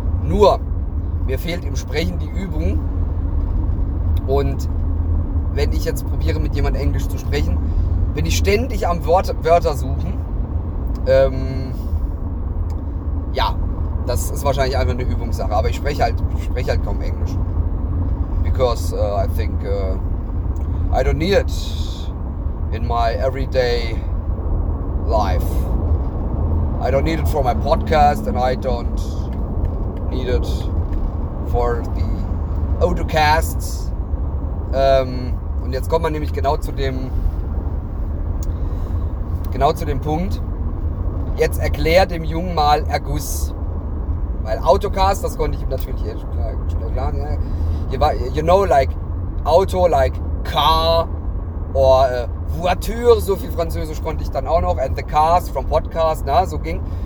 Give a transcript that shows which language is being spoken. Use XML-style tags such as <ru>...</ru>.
<de>Nur, mir fehlt im Sprechen die Übung, und wenn ich jetzt probiere, mit jemandem Englisch zu sprechen, bin ich ständig am Wörter suchen. Ja, das ist wahrscheinlich einfach eine Übungssache, aber ich spreche halt kaum Englisch.</de> <en>Because I think I don't need it in my everyday life. I don't need it for my podcast and I don't need it for the Autocasts.</en> <de>Und jetzt kommt man nämlich genau zu dem Punkt. Jetzt erklär dem Jungen mal Erguss. Weil Autocast, das konnte ich ihm natürlich schon erklären.</de> <en>You know, like Auto, like Car or Voiture,</en> <de>so viel Französisch konnte ich dann auch noch,</de> <en>and the cars from podcast,</en> <de>na, so ging.</de>